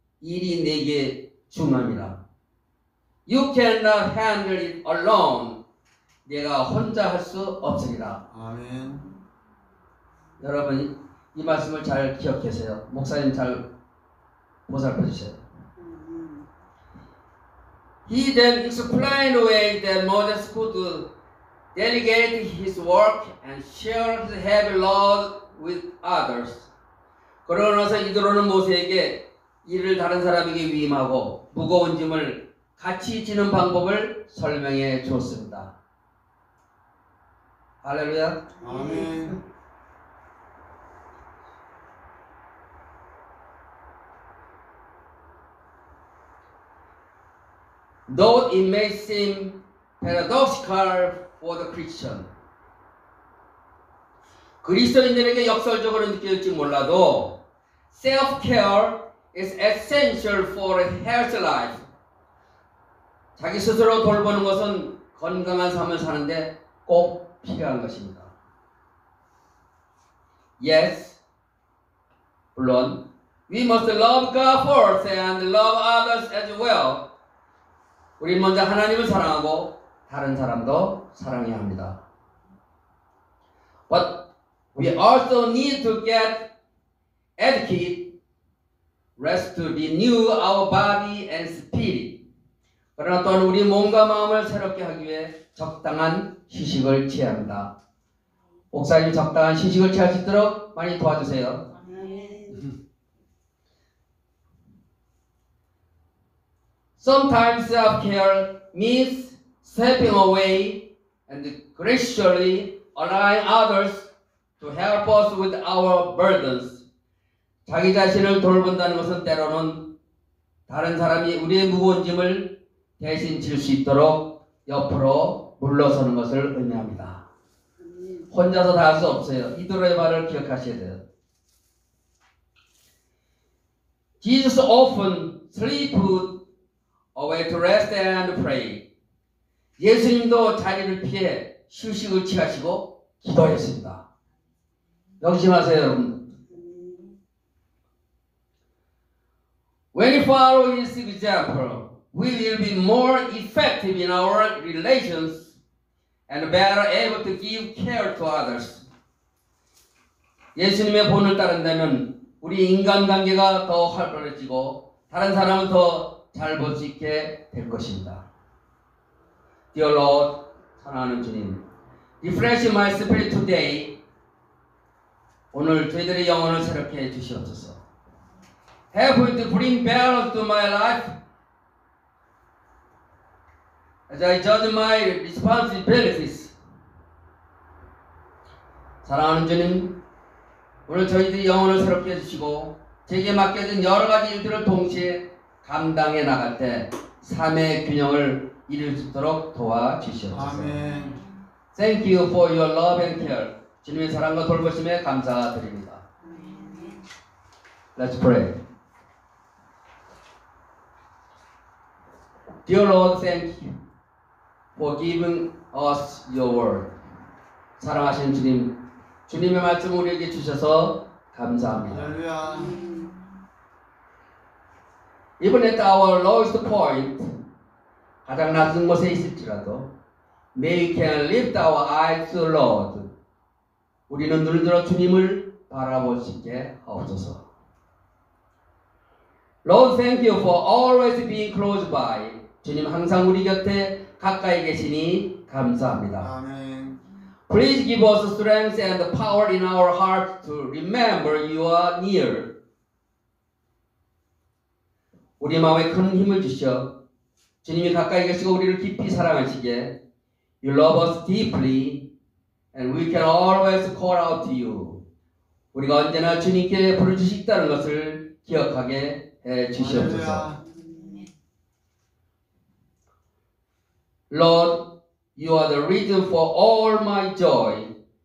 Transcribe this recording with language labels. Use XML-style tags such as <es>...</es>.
<ko>일이 내게 중함이라.</ko> <en>You cannot handle it alone.</en> <ko>내가 혼자 할 수 없으리라. 아멘. 여러분 이 말씀을 잘 기억하세요. 목사님 잘 보살펴 주세요.</ko> <en>He then explained away that Moses could delegate his work and share his heavy load with others.</en> <ko>그러고 나서 이드로는 모세에게 일을 다른 사람에게 위임하고 무거운 짐을 같이 지는 방법을 설명해 주었습니다. 할렐루야. 아멘.</ko> <en>Though it may seem paradoxical for the Christian.</en> <ko>그리스도인들에게 역설적으로 느낄지 몰라도</ko> <en>self-care is essential for a healthy life.</en> <ko>자기 스스로 돌보는 것은 건강한 삶을 사는데 꼭 필요한 것입니다.</ko> <en>Yes, 물론 we must love God first and love others as well.</en> <ko>우리 먼저 하나님을 사랑하고 다른 사람도 사랑해야 합니다.</ko> <en>But we also need to get adequate rest to renew our body and spirit.</en> <ko>그러나 또한 우리 몸과 마음을 새롭게 하기 위해 적당한 휴식을 취해야 합니다. 목사님 적당한 휴식을 취할 수 있도록 많이 도와주세요. 아멘.</ko> <en>Sometimes self-care means stepping away and graciously allowing others to help us with our burdens.</en> <ko>자기 자신을 돌본다는 것은 때로는 다른 사람이 우리의 무거운 짐을 대신 질 수 있도록 옆으로 물러서는 것을 의미합니다. 혼자서 다 할 수 없어요. 이들의 말을 기억하셔야 돼요.</ko> <en>Jesus often sleep away to rest and pray.</en> <ko>예수님도 자리를 피해 휴식을 취하시고 기도했습니다. 명심하세요, 여러분.</ko> <en>When you follow his example, we will be more effective in our relations and better able to give care to others.</en> <ko>예수님의 본을 따른다면 우리 인간관계가 더 활발해지고 다른 사람을 더 잘 볼 수 있게 될 것입니다.</ko> <en>Dear Lord,</en> <ko>사랑하는 주님,</ko> <en>refresh my spirit today.</en> <ko>오늘 저희들의 영혼을 새롭게 해주시옵소서.</ko> <en>Help me to bring balance to my life as I judge my responsibilities.</en> <ko>사랑하는 주님, 오늘 저희들의 영혼을 새롭게 해주시고 제게 맡겨진 여러 가지 일들을 동시에 감당해 나갈 때 삶의 균형을 이룰 수 있도록 도와주시옵소서. 아멘.</ko> <en>Thank you for your love and care.</en> <ko>주님의 사랑과 돌보심에 감사드립니다.</ko> <en>Let's pray. Dear Lord, thank you for giving us your word.</en> <ko>사랑하신 주님, 주님의 말씀 우리에게 주셔서 감사합니다.</ko> <en>Alleluia. Even at our lowest point,</en> <ko>가장 낮은 곳에 있을지라도,</ko> <en>may we can lift our eyes to the Lord.</en> <ko>우리는 눈을 들어 주님을 바라볼 수 있게 하옵소서.</ko> <en>Lord, thank you for always being close by.</en> <ko>주님 항상 우리 곁에 가까이 계시니 감사합니다. 아멘.</ko> <en>Please give us strength and power in our heart to remember you are near.</en> <ko>우리 마음에 큰 힘을 주셔 주님이 가까이 계시고 우리를 깊이 사랑하시게</ko> <en>You love us deeply and we can always call out to you.</en> <ko>우리가 언제나 주님께 부르짖다는 것을 기억하게 해 주시옵소서.</ko> <en>Lord, you are the reason for all my joy.</en>